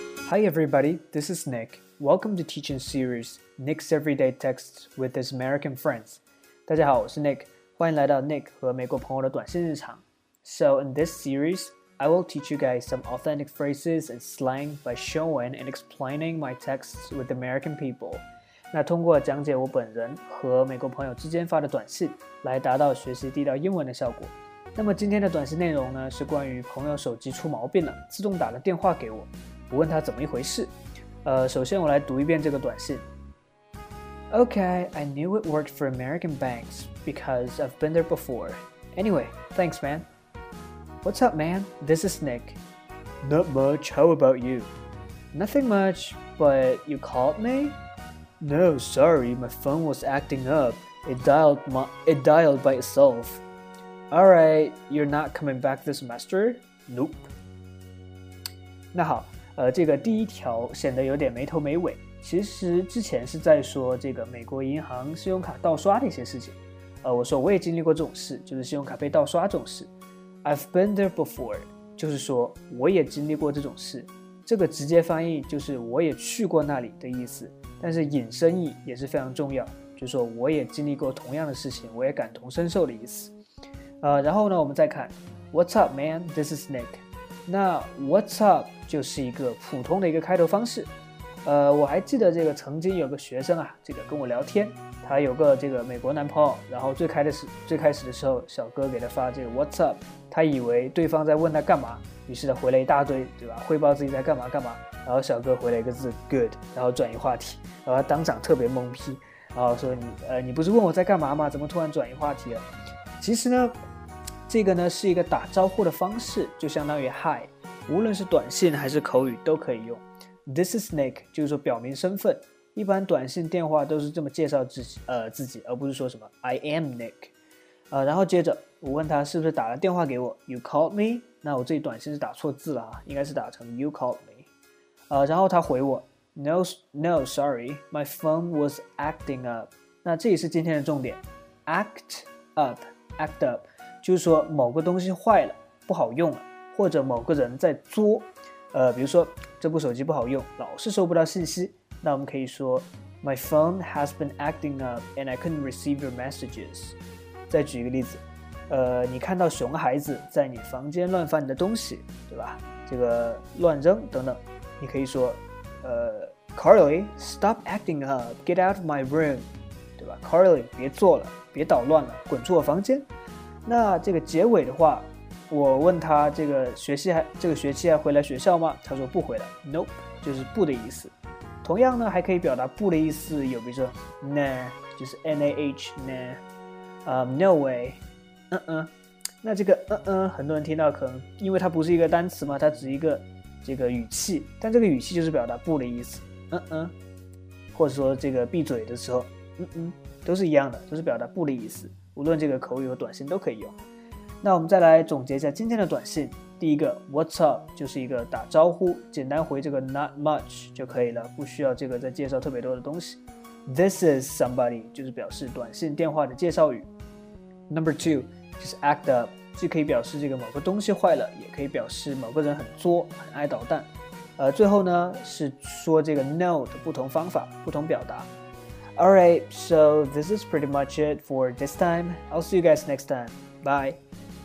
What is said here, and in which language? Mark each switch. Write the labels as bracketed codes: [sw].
[en] Hi everybody, this is Nick. Welcome to teaching series Nick's Everyday Texts with his American friends. [zh] 大家好，我是 Nick， 欢迎来到 Nick 和美国朋友的短信日常。 [en] So in this series, I will teach you guys some authentic phrases and slang by showing and explaining my texts with American people. [zh] 那通过讲解我本人和美国朋友之间发的短信，来达到学习地道英文的效果。那么今天的短信内容呢，是关于朋友手机出毛病了，自动打了电话给我，我问他怎么一回事。首先我来读一遍这个短信。 [en] Okay, I knew it worked for American banks because I've been there before. Anyway, thanks, man. What's up, man? This is Nick. Not much. How about you? Nothing much, but you called me? No, sorry. My phone was acting up. It dialed by itself. All right, you're not coming back this semester? Nope. [zh] 那好。这个第一条显得有点没头没尾，其实之前是在说这个美国银行信用卡盗刷的一些事情。我说我也经历过这种事，就是信用卡被盗刷这种事。 [en] I've been there before [zh] 就是说我也经历过这种事，这个直接翻译就是我也去过那里的意思，但是引申义也是非常重要，就是说我也经历过同样的事情，我也感同身受的意思。然后呢我们再看 [en] What's up man, this is Nick。 [zh] 那 What's up 就是一个普通的一个开头方式。我还记得这个曾经有个学生啊，这个跟我聊天，他有个这个美国男朋友，然后最开始的时候，小哥给他发这个 What's up， 他以为对方在问他干嘛，于是他回了一大堆，对吧？汇报自己在干嘛干嘛，然后小哥回了一个字 Good， 然后转移话题，然后他当场特别懵逼，然后说你不是问我在干嘛吗？怎么突然转移话题了？其实呢。这个呢是一个打招呼的方式，就相当于 Hi， 无论是短信还是口语都可以用。 [en] This is Nick [zh] 就是说表明身份，一般短信电话都是这么介绍自己，而不是说什么 [en] I am Nick。 [zh] 然后接着我问他是不是打了电话给我， [en] You called me， [zh] 那我这里短信是打错字了，应该是打成 You called me。然后他回我 [en] No, sorry My phone was acting up。 [zh] 那这也是今天的重点， Act up就是说某个东西坏了不好用了，或者某个人在作。比如说这部手机不好用，老是收不到信息，那我们可以说 [en] My phone has been acting up and I couldn't receive your messages。 [zh] 再举一个例子，你看到熊孩子在你房间乱翻你的东西，对吧？这个乱扔等等，你可以说 [en] Carly stop acting up get out of my room， [zh] 对吧？ Carly 别做了，别捣乱了，滚出我房间。那这个结尾的话，我问他这个学期还回来学校吗？他说不回来 ，Nope， 就是不的意思。同样呢，还可以表达不的意思，有比如说 Nah， 就是 Nah， Nah， [en] No way， [zh] 那这个很多人听到可能因为它不是一个单词嘛，它只是一个这个语气，但这个语气就是表达不的意思，或者说这个闭嘴的时候，都是一样的，都是表达不的意思。无论这个口语和短信都可以用。那我们再来总结一下今天的短信。第一个 What's up 就是一个打招呼，简单回这个 [en] Not much [zh] 就可以了，不需要这个再介绍特别多的东西。 [en] This is somebody [zh] 就是表示短信电话的介绍语。 Number two 就是 act up， 既可以表示这个某个东西坏了，也可以表示某个人很作很爱捣蛋。最后呢是说这个 No 的不同方法不同表达。 [en] Alright, so this is pretty much it for this time. I'll see you guys next time. Bye.